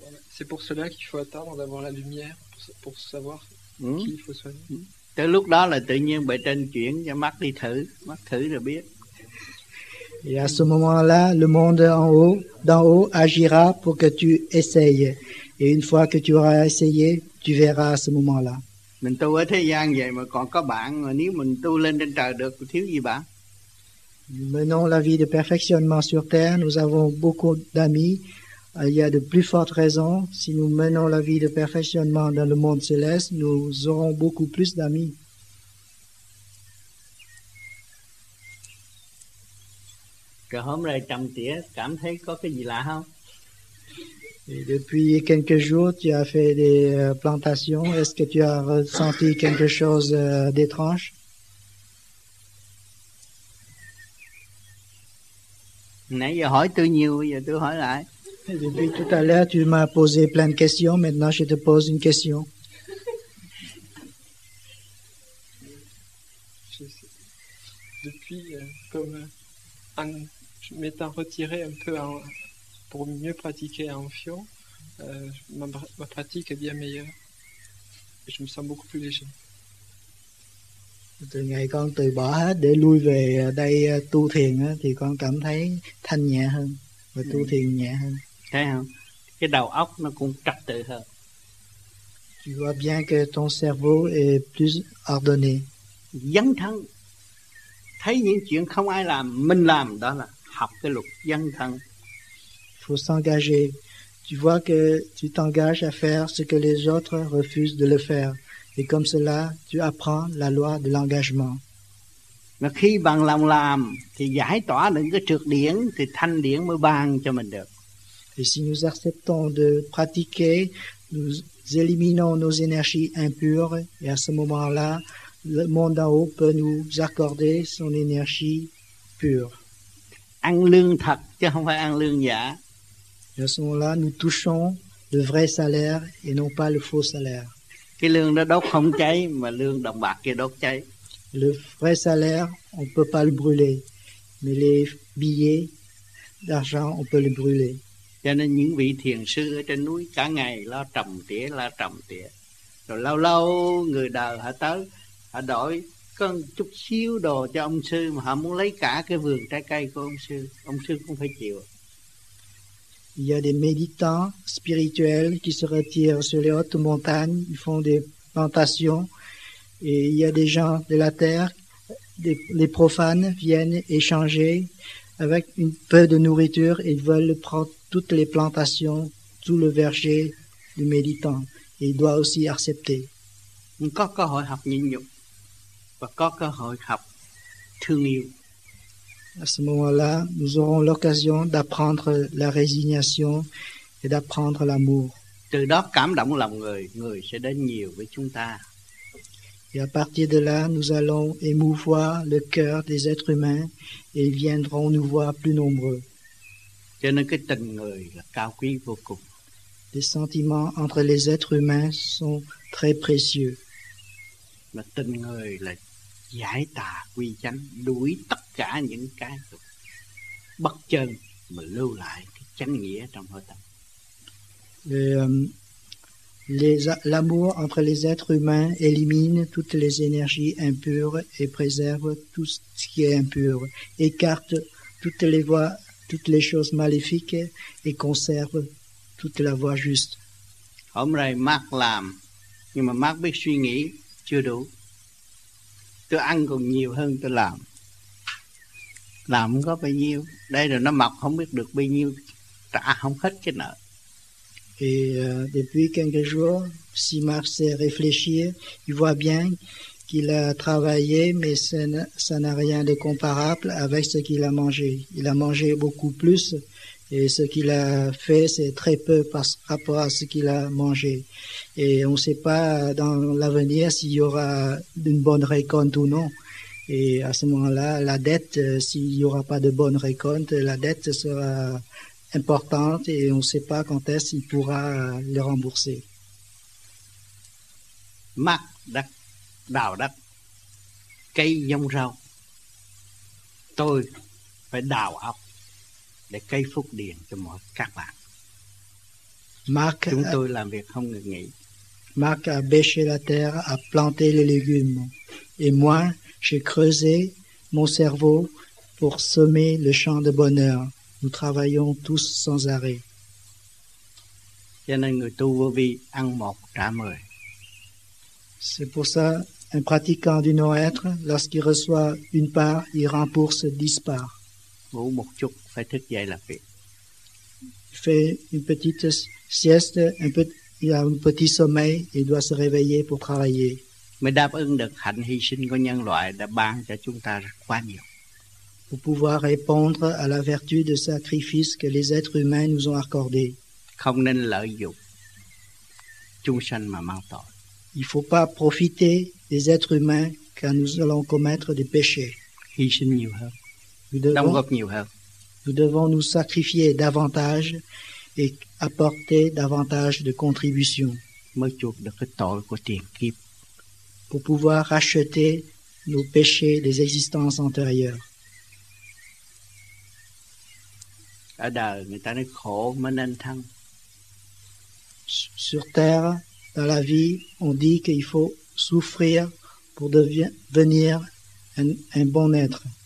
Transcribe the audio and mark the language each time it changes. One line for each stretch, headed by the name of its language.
French: C'est pour cela qu'il faut attendre d'avoir la lumière pour savoir Qui il faut soigner.
Vietnamese: Tới lúc đó là tự nhiên bệ trên chuyển cho mắt đi thử, mắt thử rồi biết.
French: Et à ce moment-là, le monde d'en haut agira pour que tu essayes. Et une fois que tu auras essayé, tu verras à ce moment-là.
Vietnamese: Mình tu ở thế gian vậy mà còn có bạn, mà nếu mình tu lên trên trời được, thiếu gì bạn?
French: Menons la vie de perfectionnement sur terre, nous avons beaucoup d'amis. Il y a de plus fortes raisons. Si nous menons la vie de perfectionnement dans le monde céleste, nous aurons beaucoup plus d'amis.
Vietnamese: Rồi hôm nay trầm tỉa cảm thấy có cái gì lạ không?
French: Et depuis quelques jours, tu as fait des plantations. Est-ce que tu as ressenti quelque chose d'étrange?
Vietnamese: Nãy giờ hỏi tôi nhiều, bây giờ tôi hỏi lại.
French: Et depuis tout à l'heure, tu m'as posé plein de questions. Maintenant, je te pose une question. Depuis, comme un... Je m'étais retiré un peu en, pour mieux pratiquer en Fion. Ma pratique est bien meilleure. Et je me sens beaucoup plus léger.
Vietnamese: Từ ngày con từ bỏ hết để lui về đây tu thiền thì con cảm thấy thanh nhẹ hơn và tu thiền nhẹ hơn. Thấy không? Cái đầu óc nó cũng trật tự hơn.
French: Tu vois bien que ton cerveau est plus ordonné.
Vietnamese: Dấn thân. Thấy những chuyện không ai làm, mình làm, đó là học cái luật dân thân.
French: Faut s'engager. Tu vois que tu t'engages à faire ce que les autres refusent de le faire. Et comme cela, tu apprends la loi de l'engagement.
Vietnamese: Mà khi bằng lòng làm, thì giải tỏa những cái trược điển, thì thanh điển mới ban cho mình được.
French: Et si nous acceptons de pratiquer, nous éliminons nos énergies impures, et à ce moment-là, le monde d'en haut peut nous accorder son énergie pure.
Vietnamese: Ăn lương thật chứ không phải ăn lương giả.
French: À ce moment-là, nous touchons le vrai salaire et non pas le faux salaire.
Vietnamese: Cái lương đó đốt không cháy mà lương đồng bạc kia đốt cháy.
French: Le vrai salaire, on peut pas le brûler, mais les billets d'argent, on peut le brûler.
Vietnamese: Cho nên những vị thiền sư ở trên núi cả ngày lo trầm tỉa, lo trầm tỉa. Rồi lâu lâu người đời họ tới, họ đổi con chút xíu đồ cho ông sư mà họ muốn lấy cả cái vườn trái cây của ông sư. Ông sư cũng phải chịu.
French: Il y a des méditants spirituels qui se retirent sur les hautes montagnes, ils font des plantations, et il y a des gens de la terre, les profanes viennent échanger avec un peu de nourriture et ils veulent prendre toutes les plantations, tout le verger du méditant. Et il doit aussi accepter. Il y a une chance d'apprendre la
Vietnamese: nhịn nhục và có cơ hội học thương yêu.
French: À ce moment-là, nous aurons l'occasion d'apprendre la résignation et d'apprendre l'amour.
Vietnamese: Từ đó cảm động lòng người, người sẽ đến nhiều với chúng ta.
French: Et à partir de là, nous allons émouvoir le cœur des êtres humains et ils viendront nous voir plus nombreux.
Vietnamese: Cho nên cái tình người là cao quý vô cùng.
French: Les sentiments entre les êtres humains sont très précieux.
Vietnamese: Mà tình người là giải tà quy chánh, đuổi tất cả những cái bất chân mà lưu lại cái chánh nghĩa trong hơi tâm.
French: L'amour entre les êtres humains élimine toutes les énergies impures et préserve tout ce qui est impur, écarte toutes les voies, toutes les choses maléfiques et conserve toute la voie juste.
Vietnamese: Hôm nay Mark làm, nhưng mà Mark biết suy nghĩ chưa đủ. Tôi ăn còn nhiều hơn tôi làm. Làm không có bao nhiêu. Đây rồi nó mọc không biết được bao nhiêu. Trả không hết cái nợ.
French: Depuis quelques jours, si Marc s'est réfléchi, il voit bien qu'il a travaillé, mais ça n'a rien de comparable avec ce qu'il a mangé. Il a mangé beaucoup plus et ce qu'il a fait, c'est très peu par rapport à ce qu'il a mangé. Et on ne sait pas dans l'avenir s'il y aura une bonne récolte ou non. Et à ce moment-là, la dette, s'il n'y aura pas de bonne récolte, la dette sera importante et on ne sait pas quand est-ce qu'il pourra le rembourser.
Vietnamese: Mac, đào đất, cây giống rau. Tôi phải đào ốc để cây phúc điền cho mọi các bạn. Mark, chúng tôi làm việc không ngừng nghỉ.
French: Marc a bêché la terre, a planté les légumes. Et moi, j'ai creusé mon cerveau pour semer le champ de bonheur. Nous travaillons tous sans arrêt.
Vietnamese: Cho nên người tu vô vi ăn một trả mười.
French: C'est pour ça, un pratiquant du non-être, lorsqu'il reçoit une part, il rembourse 10 parts.
Vietnamese: Ngủ một chút, phải thức dậy làm việc.
French: Il fait une petite sieste, il a un petit sommeil, il doit se réveiller pour travailler. Mais
Vietnamese: đáp ứng được hạnh hy sinh của nhân loại đã ban cho chúng ta quá nhiều.
French: Pour pouvoir répondre à la vertu de sacrifice que les êtres humains nous ont accordé.
Vietnamese: Không nên lợi dụng chúng sanh mà mang tội.
French: Il ne faut pas profiter des êtres humains car nous allons commettre des péchés.
Vietnamese: Hy sinh nhiều hơn.
French: Nous devons nous sacrifier davantage et apporter davantage de contributions.
Vietnamese: Mới chuộc được cái tội của tiền kiếp.
French: Pour pouvoir racheter nos péchés des existences antérieures.
Vietnamese: À đời, người ta nói khổ mới nên thân.
French: Sur terre, dans la vie, on dit qu'il faut souffrir pour devenir un bon être.